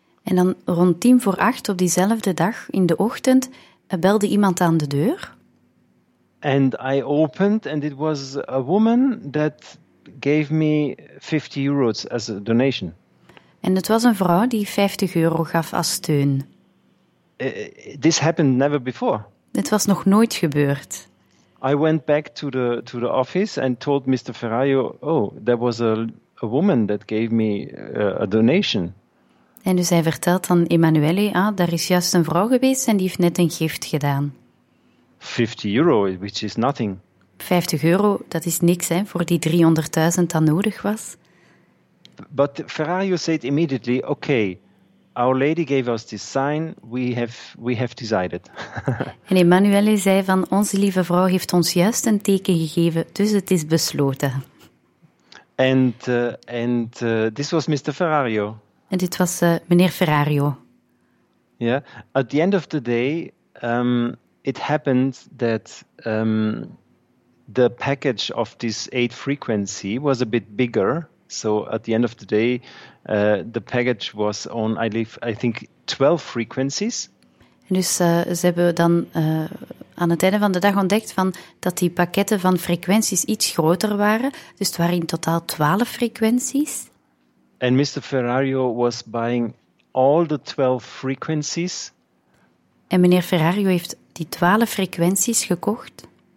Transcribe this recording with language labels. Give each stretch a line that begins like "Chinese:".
Dutch: En dan rond 7:50 op diezelfde dag in de ochtend belde iemand aan de deur.
English: And I opened, and it was a woman that gave me 50 euros as a donation.
Dutch: En het was een vrouw die 50 euro gaf als steun.
English: This happened never before.
Dutch: Het was nog nooit gebeurd.
English: I went back to the office and told Mr. Ferrario, oh, there was a woman that gave me a donation.
Dutch: En dus hij vertelt aan Emanuele, ah, daar is juist een vrouw geweest en die heeft net een gift gedaan.
English: 50 euro, which is nothing.
Dutch: 50 euro, dat is niks, hè, voor die 300.000 dat nodig was.
English: But Ferrario said immediately, okay, Our Lady gave us this sign, we have decided.
Dutch: En Emanuele zei van, onze lieve vrouw heeft ons juist een teken gegeven, dus het is besloten.
English: And this was Mr. Ferrario.
Dutch: En dit was meneer Ferrario. Ja,
English: yeah. At the end of the day, it happened that the package of this 8 frequency was a bit bigger. So at the end of the day, the package was on, I think, 12 frequencies.
Dutch: En dus ze hebben dan aan het einde van de dag ontdekt van dat die pakketten van frequenties iets groter waren. Dus het waren in totaal 12 frequenties.
English: And Mr. Ferrario was buying all the 12 frequencies.
Dutch: En meneer Ferrario heeft die 12 frequenties gekocht.